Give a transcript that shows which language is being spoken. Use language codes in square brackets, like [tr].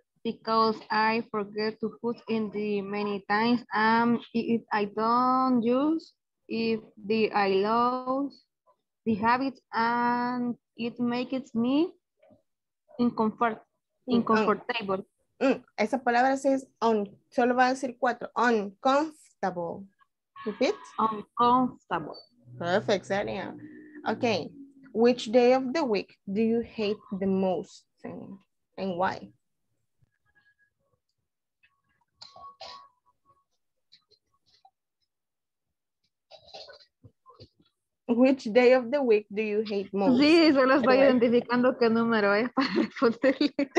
[en] Because I forget to put in the many times. If I don't use, if the I lose the habit and it makes me uncomfortable. [es] Esa palabra se es on, solo va a decir cuatro. [en] Uncomfortable. Repeat. Uncomfortable. Perfect, Xenia. Okay. Which day of the week do you hate the most and why? Which day of the week do you hate most? [es] Sí, solo estoy identificando qué número es para responderle.